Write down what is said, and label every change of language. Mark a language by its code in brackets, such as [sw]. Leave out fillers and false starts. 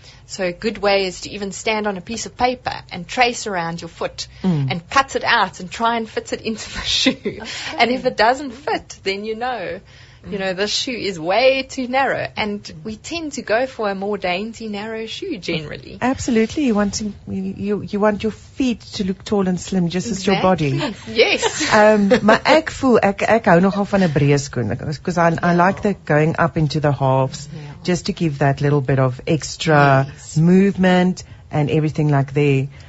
[en] So a good way is to even stand on a piece of paper and trace around your foot and cut it out and try and fit it into the shoe. Okay. And if it doesn't fit, then you know, the shoe is way too narrow. And we tend to go for a more dainty, narrow shoe generally. Absolutely. You want your feet to look tall and slim, just exactly. As your body. Yes. [af] Maar ek voel, ek hou nogal van 'n breë skoen. [en] Because I like the going up into the halves, just to give that little bit of extra movement and everything like that.